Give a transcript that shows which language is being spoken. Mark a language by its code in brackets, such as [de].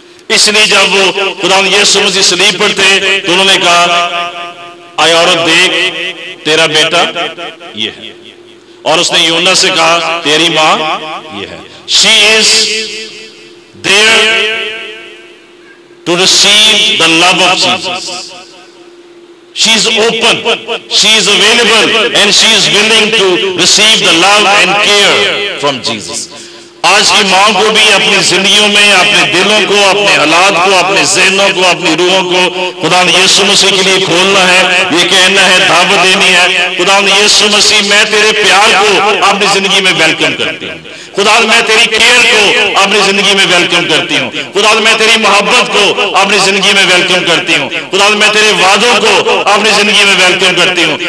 [hi] इसलिए जब वो खुदा यीशु मसीह सलीब पर थे तो उन्होंने कहा, आई औरत देख तेरा बेटा ये है, और उसने योना से कहा तेरी माँ ये है। [en] She is there to receive the love of Jesus. She is open, she is available, and she is willing to receive the love and care from Jesus. [hi] आज की मां को भी अपनी जिंदगियों में, अपने दिलों को, अपने हालात को, अपने जहनों को, अपनी रूहों को खुदा ने यीशु मसीह के लिए खोलना है। ये कहना है, दावत देनी है, खुदा ने यीशु मसीह मैं तेरे प्यार को अपनी जिंदगी में वेलकम करती हूँ, खुदा मैं तेरी केयर को अपनी जिंदगी में वेलकम करती हूँ, खुदा मैं तेरी मोहब्बत को अपनी जिंदगी में वेलकम करती हूँ, खुदा मैं तेरे वादों को अपनी जिंदगी में वेलकम करती हूँ।